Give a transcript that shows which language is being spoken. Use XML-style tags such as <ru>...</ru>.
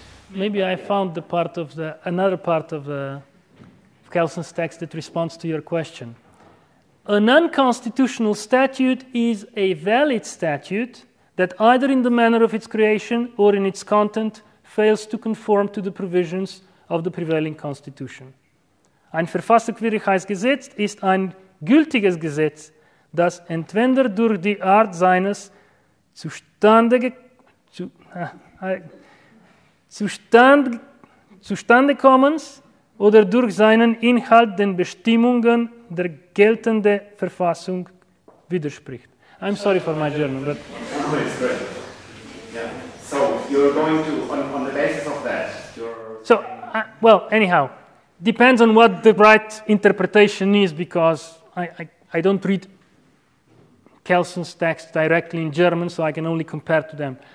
<en>Maybe I found another part of the Kelsen's text that responds to your question. A non-constitutional statute is a valid statute that either in the manner of its creation or in its content fails to conform to the provisions of the prevailing constitution.</en> <de>Ein verfassungswidriges Gesetz ist ein gültiges Gesetz, das entweder durch die Art seines Zustandekommens oder durch seinen Inhalt den Bestimmungen der geltenden Verfassung widerspricht.</de> <en>I'm sorry for my German, but... Oh, it's great. Yeah. So, you're going to, on the basis of that, you're... So, well, anyhow, depends on what the right interpretation is, because I don't read Kelsen's text directly in German, so I can only compare to them.</en>